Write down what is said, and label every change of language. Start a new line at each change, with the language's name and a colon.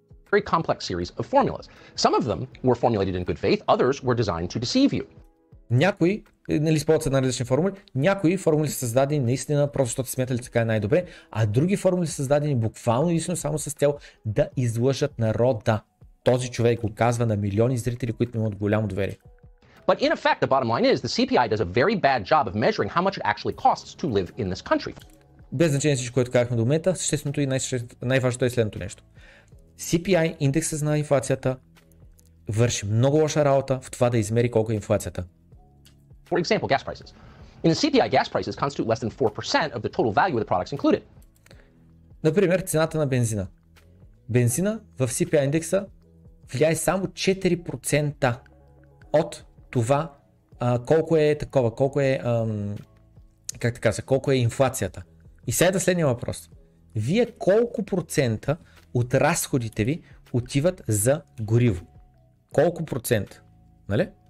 English: Very complex series of formulas. Some of them were formulated in good faith, others were designed to deceive you.
Bulgarian: Някои, нали, използват една различни формули, някои формули са създадени наистина, просто защото смятали така е най-добре, а други формули са създадени буквално единствено само с цел да излъжат народа. Този човек го казва на милиони зрители, които имат голямо доверие.
English: But in effect, the bottom line is the CPI does a very bad job of measuring how much it actually costs to live in this country.
Bulgarian: Без значение всичко, което казахме до момента, същественото и най-важното е следното нещо. CPI, индексът на инфлацията, върши много лоша работа в това да измери колко е инфлацията.
English: For example, gas prices. In the CPI, gas prices constitute less than 4% of the total value of the products included.
Bulgarian: Например, цената на бензина. Бензина в CPI индекса влияе само 4% от това колко е такова, колко е как така се, колко е инфлацията. И сега е следния въпрос. Вие колко процента от разходите ви отиват за гориво? Колко процент? Нали?